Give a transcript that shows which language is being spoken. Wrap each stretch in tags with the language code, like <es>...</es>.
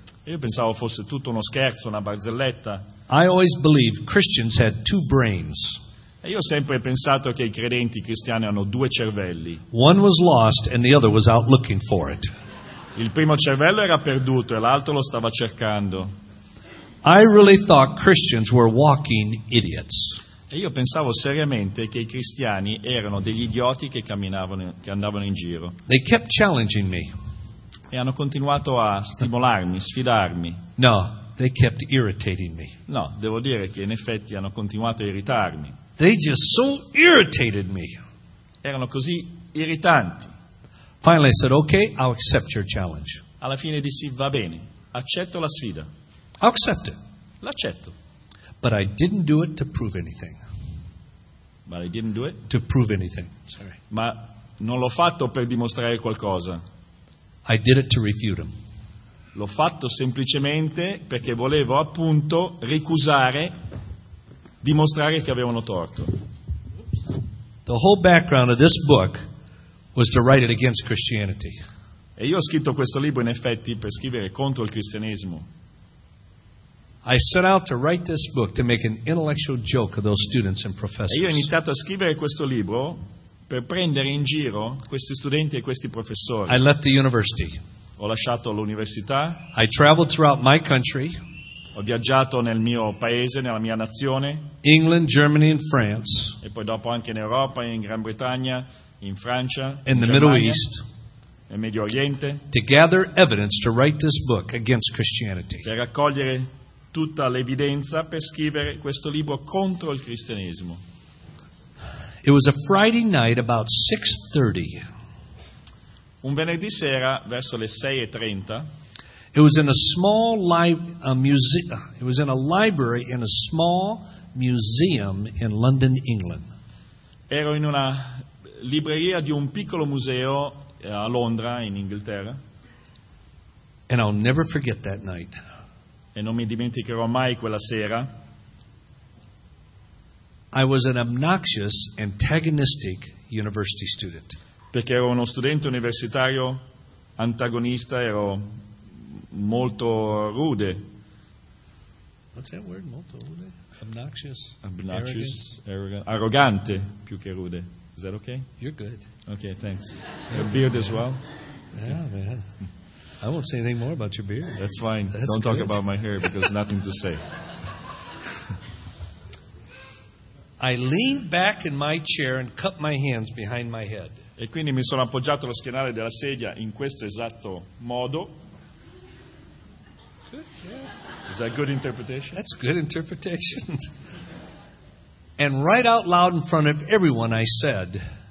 <it>Io pensavo fosse tutto uno scherzo, una barzelletta.</it> <en>I always believed Christians had two brains.</en> <it>E io ho sempre pensato che i credenti cristiani hanno due cervelli.</it> <en>One was lost and the other was out looking for it.</en> <it>Il primo cervello era perduto e l'altro lo stava cercando.</it> <en>I really thought Christians were walking idiots.</en> <it>E io pensavo seriamente che i cristiani erano degli idioti che camminavano, che andavano in giro.</it> <en>They kept challenging me.</en> <it>E hanno continuato a stimolarmi, sfidarmi.</it> <en>No, they kept irritating me.</en> <it>No, devo dire che in effetti hanno continuato a irritarmi.</it> <en>They just so irritated me.</en> <it>Erano così irritanti.</it> <en>Finally I said, okay, I'll accept your challenge.</en> <it>Alla fine dissi, va bene, accetto la sfida.</it> <en>I'll accept it.</en> <it>L'accetto.</it> <en>But I didn't do it to prove anything. But I didn't do it? To prove anything. Sorry.</en> <it>Ma non l'ho fatto per dimostrare qualcosa.</it> <en>I did it to refute him.</en> <it>L'ho fatto semplicemente perché volevo appunto ricusare, dimostrare che avevano torto.</it> <en>The whole background of this book was to write it against Christianity.</en> <it>E io ho scritto questo libro in effetti per scrivere contro il cristianesimo.</it> <en>I set out to write this book to make an intellectual joke of those students and professors.</en> <it>E io ho iniziato a scrivere questo libro per prendere in giro questi studenti e questi professori.</it> <en>I left the university.</en> <it>Ho lasciato l'università.</it> <en>I traveled throughout my country.</en> <it>Ho viaggiato nel mio paese, nella mia nazione.</it> <en>England, Germany and France.</en> <it>E poi dopo anche in Europa, in Gran Bretagna, in Francia,</it> <en>in the Middle East.</en> <it>Nel Medio Oriente.</it> <en>To gather evidence to write this book against Christianity.</en> <it>Per raccogliere tutta l'evidenza per scrivere questo libro contro il cristianesimo.</it> <en>It was a Friday night about 6:30.</en> <it>Un venerdì sera verso le 6:30.</it> <en>It was in a small museum. It was in a library in a small museum in London, England.</en> <it>Ero in una libreria di un piccolo museo a Londra in Inghilterra.</it> <en>And I'll never forget that night.</en> <it>E non mi dimenticherò mai quella sera.</it> <en>I was an obnoxious, antagonistic university student.</en> <it>Perché ero uno studente universitario antagonista, ero molto rude.</it> <en>What's that word?</en> <it>Molto rude?</it> <en>Obnoxious? Obnoxious? Arrogant?</en> <it>Arrogante, più che rude.</it> <en>Is that okay? You're good. Okay, thanks. Your beard as well? Yeah, man. I won't say anything more about your beard. That's fine. That's Don't talk good. About my hair because nothing to say. I leaned back in my chair and cut my hands behind my head.</en> <it>E quindi mi sono appoggiato allo schienale della sedia in questo esatto modo.</it> <en>Good, yeah. Is that good interpretation? That's good interpretation. And right out loud in front of everyone I said.</en>